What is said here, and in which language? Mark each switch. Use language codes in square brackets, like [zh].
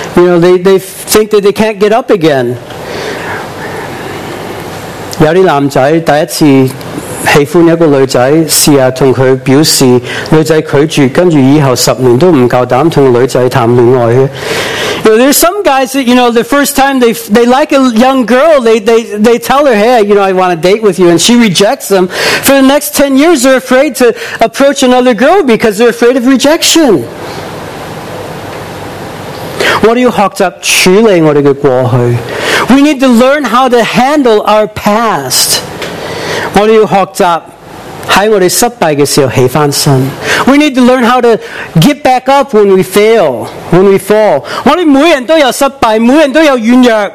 [en] You know, they think that they can't get up again. [yue] 有些男仔第一次 喜欢一个女仔，试下同佢表示女仔拒绝，跟住以后十年都唔够胆同女仔谈恋爱。You [en] know, there's some guys that, you know, the first time they like a young girl, they tell her, hey, you know, I want to date with you, and she rejects them. For the next 10 years, they're afraid to approach another girl because they're afraid of rejection. [yue] 我哋要学习处理我哋嘅过去。 [en] We need to learn how to handle our past. [yue] 我们要学习在我们失败的时候起翻身。 [en] We need to learn how to get back up when we fail, when we fall. [yue] 我们每人都有失败, 每人都有软弱。